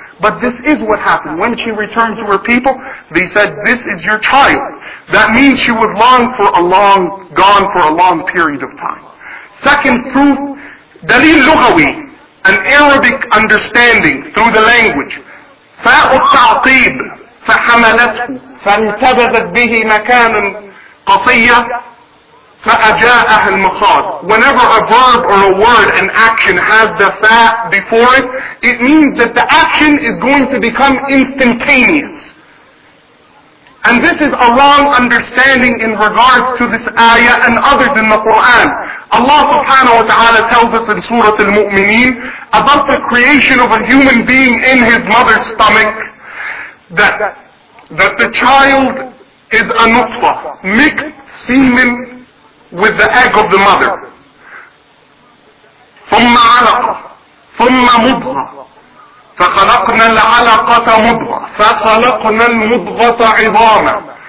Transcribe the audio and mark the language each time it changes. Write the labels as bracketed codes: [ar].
[en] But this is what happened. When she returned to her people, they said, this is your child. That means she was gone for a long period of time. Second proof, [ar] دليل لغوي, [en] an Arabic understanding through the language. [ar] فاء التعقيب فحملته فانتبذت به مكانا قصيا فأجاءها المخاض. [en] Whenever a verb or a word, an action, has the fa before it, it means that the action is going to become instantaneous. And this is a wrong understanding in regards to this ayah and others in the Quran. Allah subhanahu wa ta'ala tells us in Surah Al-Mu'mineen about the creation of a human being in his mother's stomach, that the child is a nutfah, mixed semen with the egg of the mother. [ar] ثم علقة ثم مضغة فخلقنا العلقة مضغة فخلقنا المضغة عظاما.